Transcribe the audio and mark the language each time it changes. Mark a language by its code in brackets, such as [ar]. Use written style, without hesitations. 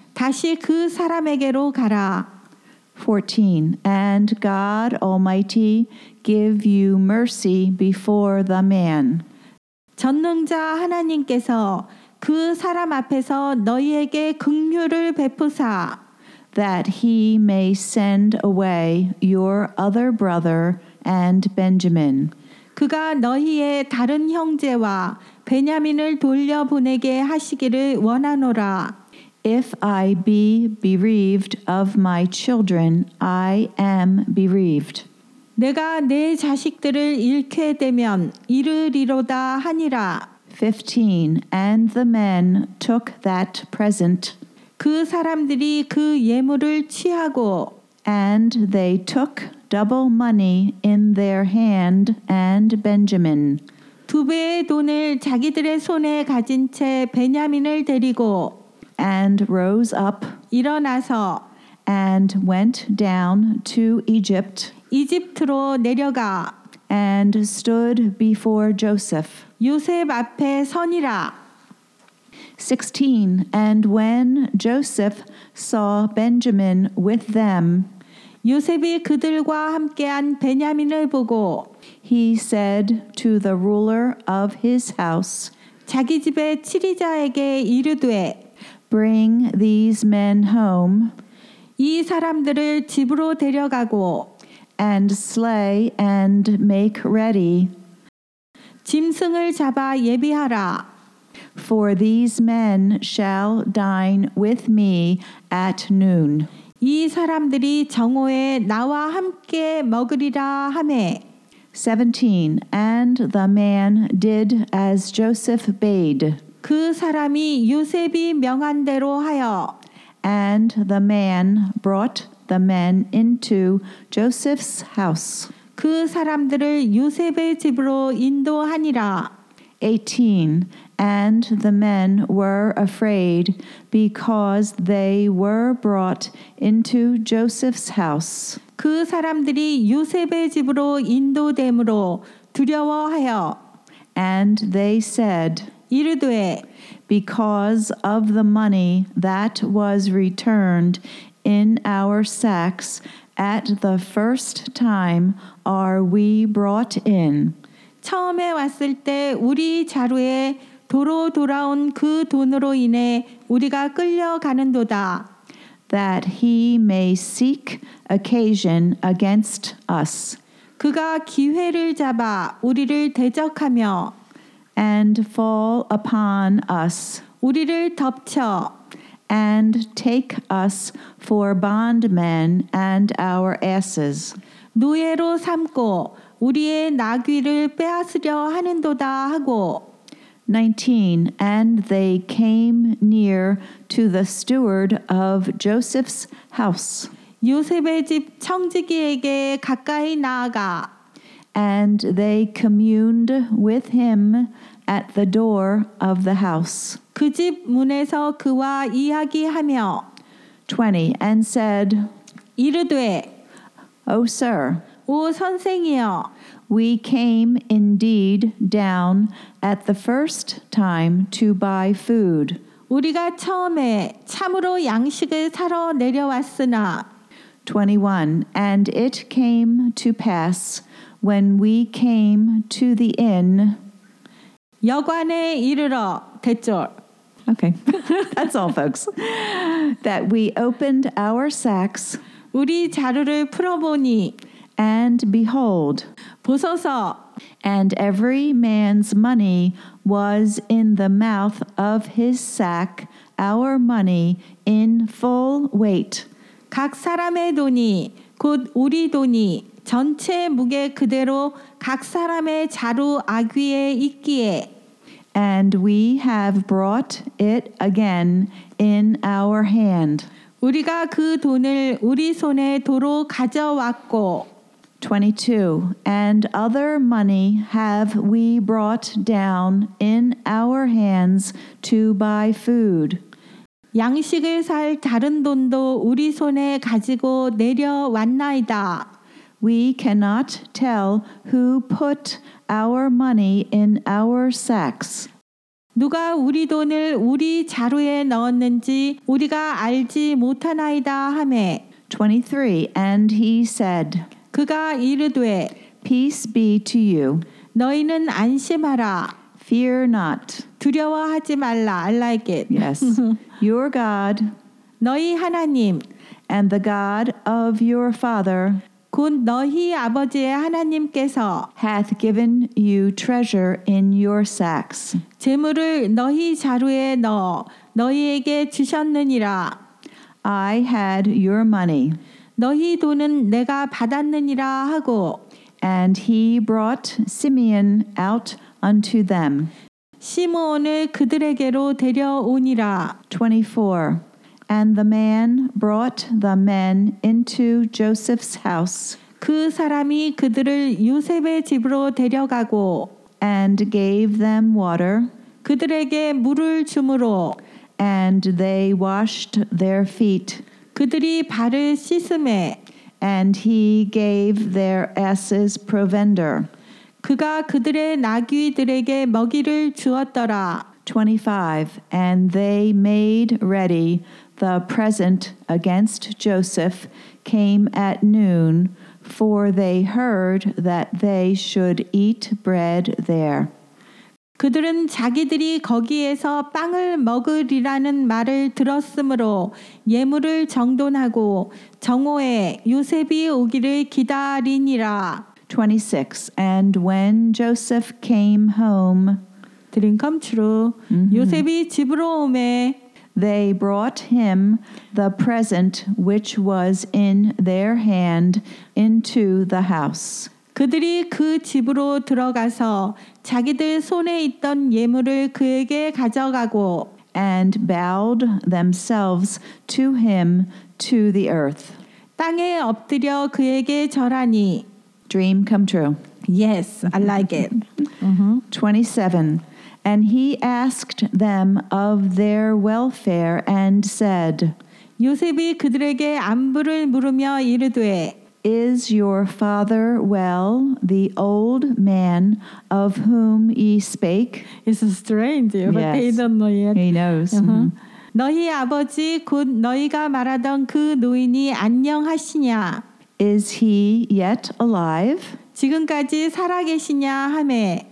[ko] 다시 그 사람에게로 가라. [en] 14. And God Almighty give you mercy before the man. [ko] 전능자 하나님께서 그 사람 앞에서 너희에게 긍휼을 베푸사. [en] That he may send away your other brother and Benjamin. [ko] 그가 너희의 다른 형제와 베냐민을 돌려보내게 하시기를 원하노라. [en] If I be bereaved of my children, I am bereaved. [ko] 내가 내 자식들을 잃게 되면 잃으리로다 하니라. 15. [en] And the men took that present. 그 사람들이 그 예물을 취하고. And they took double money in their hand and Benjamin. [ko] 두 배의 돈을 자기들의 손에 가진 채 베냐민을 데리고 [en] and rose up [ko] 일어나서 [en] and went down to Egypt [ko] 이집트로 내려가 [en] and stood before Joseph [ko] 요셉 앞에 서니라 [en] 16 and when Joseph saw Benjamin with them [ko] 요셉이 그들과 함께한 베냐민을 보고 [en] he said to the ruler of his house [ko] 자기 집의 치리자에게 이르되 [en] bring these men home [ko] 이 사람들을 집으로 데려가고 [en] and slay and make ready [ko] 짐승을 잡아 예비하라 [en] For these men shall dine with me at noon. [ko] 이 사람들이 정오에 나와 함께 먹으리라 하매. 17. [en] And the man did as Joseph bade. [ko] 그 사람이 요셉이 명한 대로 하여. [en] And the man brought the men into Joseph's house. [ko] 그 사람들을 요셉의 집으로 인도하니라. 18. [en] And the men were afraid because they were brought into Joseph's house. [ko] 그 사람들이 요셉의 집으로 인도됨으로 두려워하여. [en] And they said, [ko] 이르되, [en] because of the money that was returned in our sacks at the first time are we brought in. [ko] 처음에 왔을 때 우리 자루에 도로 돌아온 그 돈으로 인해 우리가 끌려가는도다. [en] That he may seek occasion against us. [ko] 그가 기회를 잡아 우리를 대적하며 [en] and fall upon us. [ko] 우리를 덮쳐 [en] and take us for bondmen and our asses. [ko] 노예로 삼고 우리의 나귀를 빼앗으려 하는도다 하고 19. [en] And they came near to the steward of Joseph's house. [ko] 요셉의 집 청지기에게 가까이 나아가. [en] And they communed with him at the door of the house. [ko] 그 집 문에서 그와 이야기하며. [en] 20. And said, [ko] 이르되, [en] O sir, [ko] 오 선생이여, [en] We came indeed down at the first time to buy food. [ko] 우리가 처음에 참으로 양식을 사러 내려왔으나 21. [en] And it came to pass when we came to the inn [ko] 여관에 이르러 대절 [en] Okay, that's all folks. That we opened our sacks [ko] 우리 자루를 풀어보니 [en] And behold, [ko] 보소서, [en] and every man's money was in the mouth of his sack, our money in full weight. [ko] 각 사람의 돈이, 곧 우리 돈이, 전체 무게 그대로 각 사람의 자루 아귀에 있기에. [en] And we have brought it again in our hand. [ko] 우리가 그 돈을 우리 손에 도로 가져왔고, 22. [en] And other money have we brought down in our hands to buy food. [ko] 양식을 살 다른 돈도 우리 손에 가지고 내려왔나이다. [en] We cannot tell who put our money in our sacks. [ko] 누가 우리 돈을 우리 자루에 넣었는지 우리가 알지 못하나이다 하매. [en] 23. And he said, [ko] 그가 이르되 [en] Peace be to you. [ko] 너희는 안심하라. [en] Fear not. [ko] 두려워하지 말라. [en] I like it. Yes. Your God [ko] 너희 하나님 [en] and the God of your father [ko] 곧 너희 아버지의 하나님께서 [en] hath given you treasure in your sacks. [ko] 재물을 너희 자루에 넣어 너희에게 주셨느니라. [en] I had your money. [ko] 너희 돈은 내가 받았느니라 하고 [en] And he brought Simeon out unto them. [ko] 시므온을 그들에게로 데려오니라. 24. [en] And the man brought the men into Joseph's house. [ko] 그 사람이 그들을 요셉의 집으로 데려가고 [en] and gave them water [ko] 그들에게 물을 주므로 [en] and they washed their feet [ko] 그들이 발을 씻음에 [en] and he gave their asses provender [ko] 그가 그들의 나귀들에게 먹이를 주었더라 [en] 25 and they made ready the present against Joseph came at noon for they heard that they should eat bread there [ko] 그들은 자기들이 거기에서 빵을 먹으리라는 말을 들었으므로 예물을 정돈하고 정오에 요셉이 오기를 기다리니라 [en] 26 and when Joseph came home Dream come true. Mm-hmm. [ko] 요셉이 집으로 오매 [en] They brought him the present which was in their hand into the house. [ko] 그들이 그 집으로 들어가서 자기들 손에 있던 예물을 그에게 가져가고 [en] And bowed themselves to him to the earth. [ko] 땅에 엎드려 그에게 절하니 [en] Dream come true. Yes, I like it. Mm-hmm. 27 And he asked them of their welfare and said, 요셉이 그들에게 안부를 물으며 이르되, Is your father well, the old man of whom ye spake? It's strange, but yes. he don't know yet. He knows. Uh-huh. [ko] 너희 아버지 곧 너희가 말하던 그 노인이 안녕하시냐? [en] Is he yet alive? [ko] 지금까지 살아계시냐 하매.